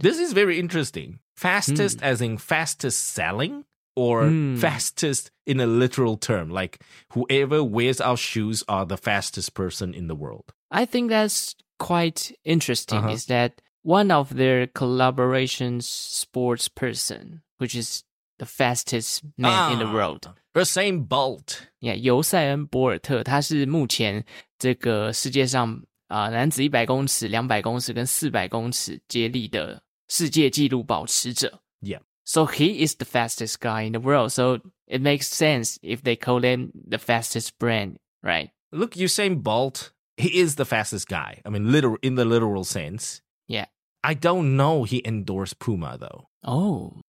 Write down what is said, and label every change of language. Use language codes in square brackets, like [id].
[en] This is very interesting. Fastest as in fastest selling or fastest in a literal term? Like whoever wears our shoes are the fastest person in the world. I think that's quite interesting is that one of their collaborations sports person, which is the fastest man in the world. Usain Bolt. Yeah, [zh] 尤塞恩·博尔特,他是目前这个世界上 男子 100公尺, 200公尺 跟 400公尺 接力的 世界纪录保持者. [en] Yeah. So he is the fastest guy in the world. So it makes sense if they call him the fastest brand, right? Look, Usain Bolt, he is the fastest guy. I mean, in the literal sense. Yeah. I don't know he endorsed Puma, though. Oh.